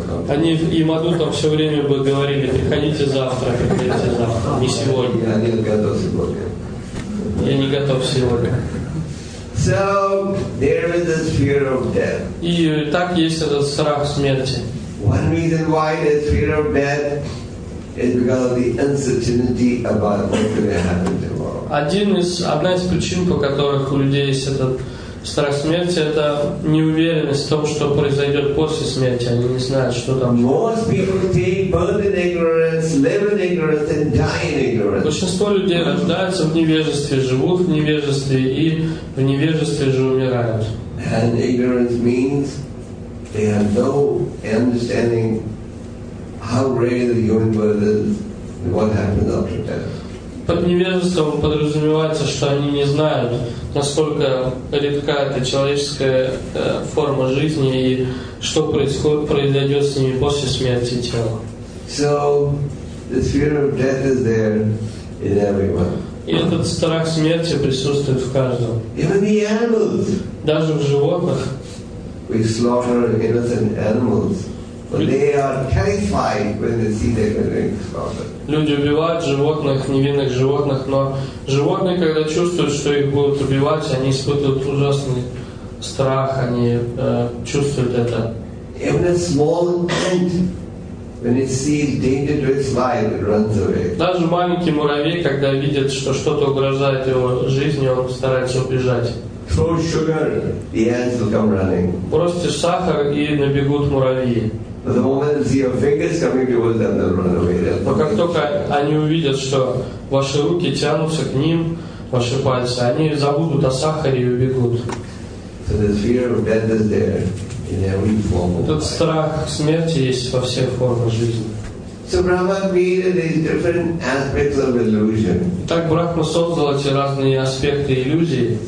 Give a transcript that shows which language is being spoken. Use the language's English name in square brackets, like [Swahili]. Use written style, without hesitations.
[Russian] Они и Мадута все время бы говорили: приходите завтра, приходите завтра, не сегодня. Я не готов сегодня. Я не готов сегодня. [English] So there is this fear of death. [Russian] И так есть этот страх смерти. [English] One reason why there's fear of death is because of the uncertainty about what's going to happen tomorrow. [Russian] Одна из причин, по которых у людей есть этот страх смерти, это неуверенность в том, что произойдет после смерти. Они не знают, что там. [English] Most people stay born in ignorance, live in ignorance, and die in ignorance. [Russian] Большинство людей рождаются в невежестве, живут в невежестве и в невежестве же умирают. [English] And ignorance means they have no understanding how rare the human world is and what happens after death. [Russian] Под невежеством подразумевается, что они не знают, насколько редка эта человеческая форма жизни и что произойдет с ними после смерти тела. [English] So, the fear of death is there in everyone. [Russian] И этот страх смерти присутствует в каждом. [English] Even the animals. [Russian] Даже в животных. [English] We slaughter innocent animals. They are terrified when they see their slaughtered. [Russian] Люди убивают животных, невинных животных, но животные, когда чувствуют, что их будут убивать, они испытывают ужасный страх, они чувствуют это. [English] Even a small ant, when it sees danger to its life, it runs away. [Russian] Даже маленький муравей, когда видит, что что-то угрожает его жизни, он старается убежать. [English] Throw sugar, the ants will come running. [Russian] Бросьте сахар, и набегут муравьи. [English] The moment they see your fingers coming towards them, they'll run away. [Russian] Но как только они увидят, что ваши руки тянутся к ним, ваши пальцы, они забудут о сахаре и убегут. [English] So the fear of death is there in every form of life. [Russian] Этот страх смерти есть во всех формах жизни. [English] So Brahma created these different aspects of illusion. [Russian] Так Брахма создал эти разные аспекты иллюзии.